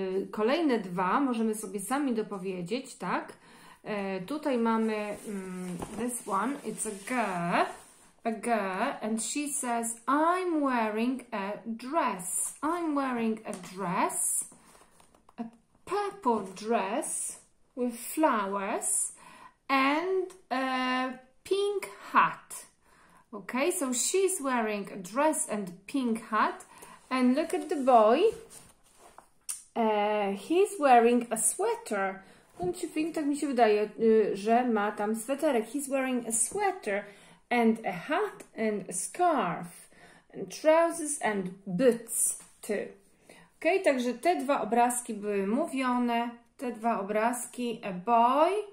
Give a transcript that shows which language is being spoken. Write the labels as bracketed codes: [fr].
[pl] Kolejne dwa możemy sobie sami dopowiedzieć, tak? Tutaj mamy [en] this one. It's a girl, and she says, I'm wearing a dress. I'm wearing a dress. Purple dress with flowers and a pink hat. Okay, so she's wearing a dress and pink hat. And look at the boy. He's wearing a sweater. Don't you think, [pl] tak mi się wydaje, że ma tam sweterek. [en] He's wearing a sweater and a hat and a scarf and trousers and boots too. [pl] Ok, także te dwa obrazki były mówione. Te dwa obrazki, [en] a boy